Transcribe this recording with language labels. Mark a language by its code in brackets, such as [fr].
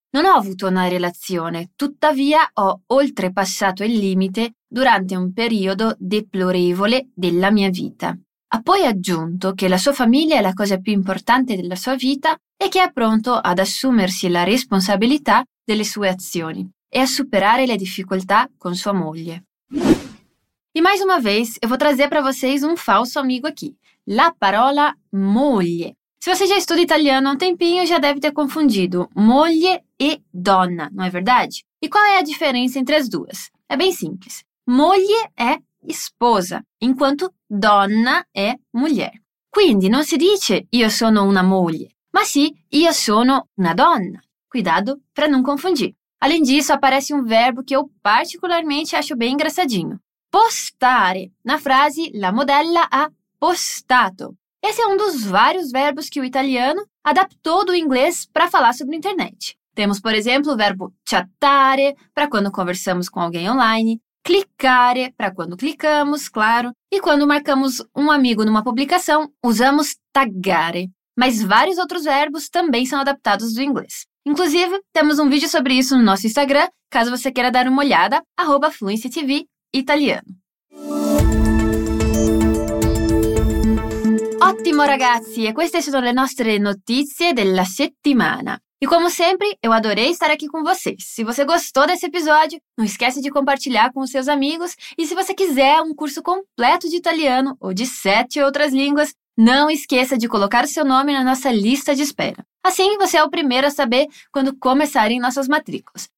[it] Non ho avuto una relazione, tuttavia ho oltrepassato il limite durante un periodo deplorevole della mia vita». Ha poi aggiunto che la sua famiglia è la cosa più importante della sua vita e che è pronto ad assumersi la responsabilità delle sue azioni e a superare le difficoltà con sua moglie. [pt] E mais uma vez, eu vou trazer para vocês um falso amigo aqui. [it] La parola moglie. [pt] Se você já estuda italiano há um tempinho, já deve ter confundido moglie e donna, não é verdade? E qual é a diferença entre as duas? É bem simples. Moglie é esposa, enquanto donna é mulher. [it] Quindi, non si dice io sono una moglie, ma sì, io sono una donna. [pt] Cuidado para não confundir. Além disso, aparece um verbo que eu particularmente acho bem engraçadinho. [it] Postare, [pt] na frase [it] la modella ha postato. [pt] Esse é um dos vários verbos que o italiano adaptou do inglês para falar sobre a internet. Temos, por exemplo, o verbo chattare, para quando conversamos com alguém online, cliccare, para quando clicamos, claro, e quando marcamos um amigo numa publicação, usamos taggare. Mas vários outros verbos também são adaptados do inglês. Inclusive, temos um vídeo sobre isso no nosso Instagram, caso você queira dar uma olhada, @fluencytvitaliano. [it] Ottimo, ragazzi! E queste sono le nostre notizie della settimana. [pt] E como sempre, eu adorei estar aqui com vocês. Se você gostou desse episódio, não esquece de compartilhar com os seus amigos. E se você quiser um curso completo de italiano ou de 7 outras línguas, não esqueça de colocar o seu nome na nossa lista de espera. Assim, você é o primeiro a saber quando começarem nossas matrículas.